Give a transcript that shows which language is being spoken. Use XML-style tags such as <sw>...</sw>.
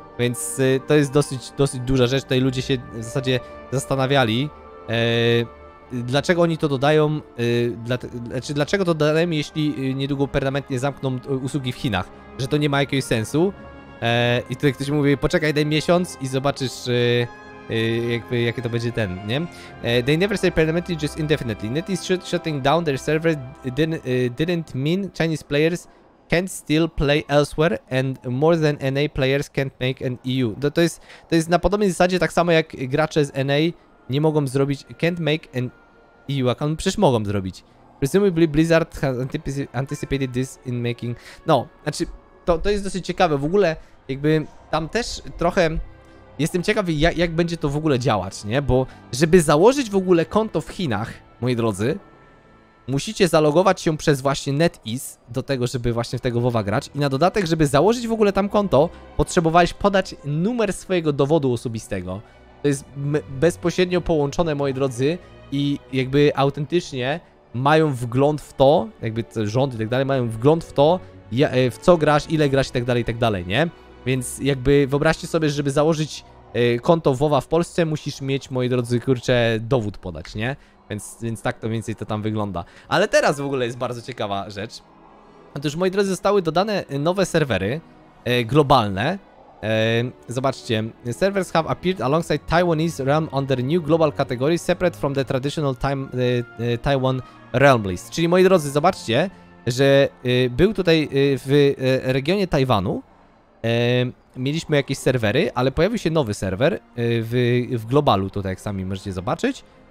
<pl>Więc to jest dosyć duża rzecz. Tutaj ludzie się w zasadzie zastanawiali, dlaczego oni to dodają, dlaczego to dodają, jeśli niedługo permanentnie zamkną usługi w Chinach, że to nie ma jakiegoś sensu. I tutaj ktoś mówi, poczekaj ten miesiąc i zobaczysz, jakby, jakie to będzie ten, nie?</pl> <en>They never say permanently, just indefinitely. NetEase shutting down their server didn't mean Chinese players can't still play elsewhere and more than NA players can't make an EU.</en> <pl>To jest na podobnej zasadzie tak samo jak gracze z NA nie mogą zrobić,</pl> <en>can't make an EU account,</en> <pl>przecież mogą zrobić.</pl> <en>Presumably Blizzard has anticipated this in making...</en> <pl>No, znaczy to jest dosyć ciekawe, w ogóle jakby tam też trochę jestem ciekawy jak będzie to w ogóle działać, nie? Bo żeby założyć w ogóle konto w Chinach, moi drodzy, musicie zalogować się przez właśnie NetEase do tego, żeby właśnie w tego WoWa grać i na dodatek, żeby założyć w ogóle tam konto, potrzebowałeś podać numer swojego dowodu osobistego. To jest bezpośrednio połączone, moi drodzy, i jakby autentycznie mają wgląd w to, jakby rząd i tak dalej, mają wgląd w to, w co grasz, ile grasz i tak dalej, nie? Więc jakby wyobraźcie sobie, żeby założyć konto WoWa w Polsce, musisz mieć, moi drodzy, kurczę, dowód podać, nie? Więc tak to więcej to tam wygląda. Ale teraz w ogóle jest bardzo ciekawa rzecz. Otóż, moi drodzy, zostały dodane nowe serwery globalne. Zobaczcie.</pl> <en>Servers have appeared alongside Taiwanese realm under new global category separate from the traditional Taiwan realm list.</en> <pl>Czyli, moi drodzy, zobaczcie, że był tutaj w regionie Tajwanu. Mieliśmy jakieś serwery, ale pojawił się nowy serwer w globalu, tutaj jak sami możecie zobaczyć.</pl>